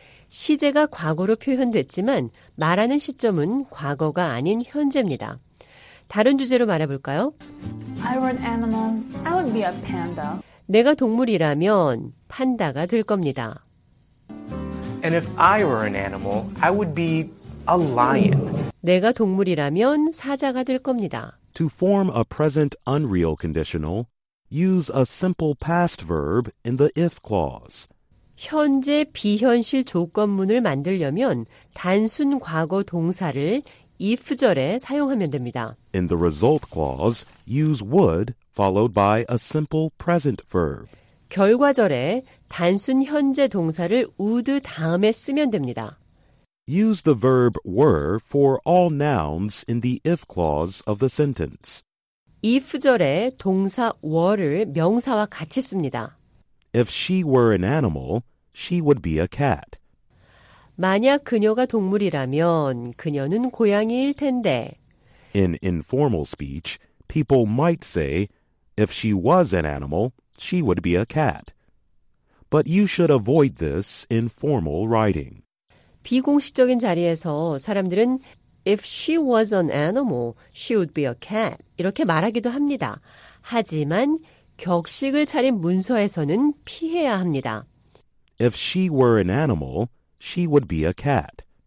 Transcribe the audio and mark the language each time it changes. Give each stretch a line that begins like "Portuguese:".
Korean: 시제가 과거로 표현됐지만 말하는 시점은 과거가 아닌 현재입니다. 다른 주제로 말해볼까요?
English: I were an animal, I would be a panda.
Korean: 내가 동물이라면 판다가 될 겁니다.
English: And if I were an animal, I would be a lion.
Korean: 내가 동물이라면 사자가 될 겁니다.
English: To form a present unreal conditional, use a simple past verb in the if clause.
Korean: 현재 비현실 조건문을 만들려면 단순 과거 동사를 if절에 사용하면 됩니다.
English: In the result clause, use would followed by a simple present verb.
Korean: 결과절에 단순 현재 동사를 would 다음에 쓰면 됩니다.
English: Use the verb were for all nouns in the if clause of the sentence.
Korean: if절에 동사 were를 명사와 같이 씁니다.
English: If she were an animal, she would be a cat.
Korean: 만약 그녀가 동물이라면 그녀는 고양이일 텐데.
English: In informal speech, people might say, if she was an animal, she would be a cat. But you should avoid this in formal writing.
Korean: 비공식적인 자리에서 사람들은
English: If she was an animal, she would be a cat.
Korean: 이렇게 말하기도 합니다. 하지만 격식을 차린 문서에서는 피해야 합니다.
English: If she were an animal, she would be a cat.